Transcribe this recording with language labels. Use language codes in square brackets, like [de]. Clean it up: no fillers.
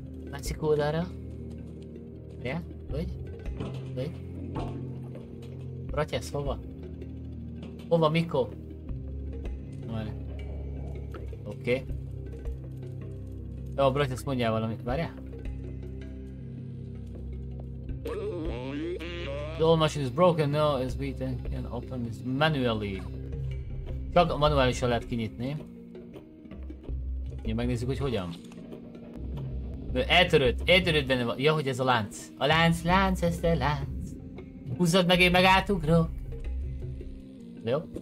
[hu] Látszik oldalra? Ja? Vagy? Vagy? Bratyász, hova? Hova, Miko? Oké. Okay. Jó, a Bratyász mondjál valamit. Várjál? [en] The old machine is broken, no, it's beaten, can open this manually. [hu] Csak manuálisan lehet kinyitni. Ja, megnézzük, hogy hogyan. Eltörött benne van. Ja, hogy ez a lánc. A lánc, lánc, ez a lánc. Húzzad meg, én meg átugrok. De jó.